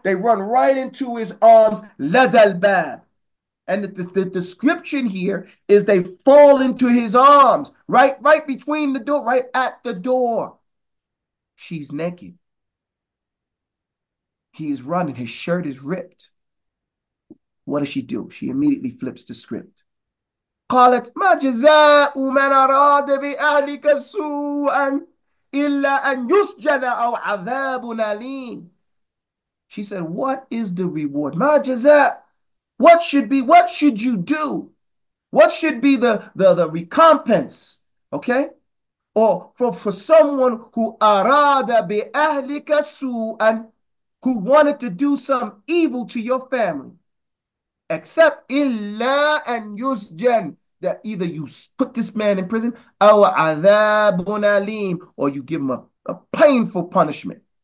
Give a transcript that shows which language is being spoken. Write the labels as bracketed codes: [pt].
[en] They run right into his arms. [ar] Ladal bab. [en] And the description here is they fall into his arms, right between the door, right at the door. She's naked. He's running, his shirt is ripped. What does she do? She immediately flips the script. [ar] قالت ما جزاء من أراد بأهلك سوءا إلا أن يسجن أو عذاب أليم. [en] She said, what is the reward? [ar] ما جزاء, [en] what should you do? What should be the recompense? Okay? Or for someone who [ar] أراد بأهلك سوءا, [en] who wanted to do some evil to your family, except [ar] illa and yusjan, [en] that either you put this man in prison, [ar] aw adhabun aleem, [en] or you give him a painful punishment.